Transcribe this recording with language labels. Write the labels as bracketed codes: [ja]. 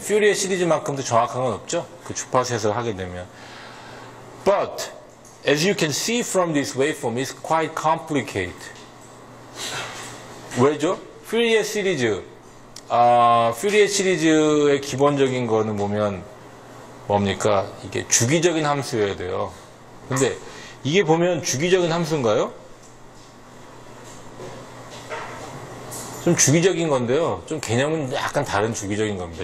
[ko] 퓨리에 시리즈만큼도 정확한 건 없죠? 그 주파수 해석을 하게 되면. [en] But, as you can see from this waveform, it's quite complicated. [ko] 왜죠? 퓨리에 시리즈. 퓨리에 시리즈의 기본적인 거는 보면, 뭡니까? 이게 주기적인 함수여야 돼요. 근데, 이게 보면 주기적인 함수인가요? 좀 주기적인 건데요. 좀 개념은 약간 다른 주기적인 겁니다.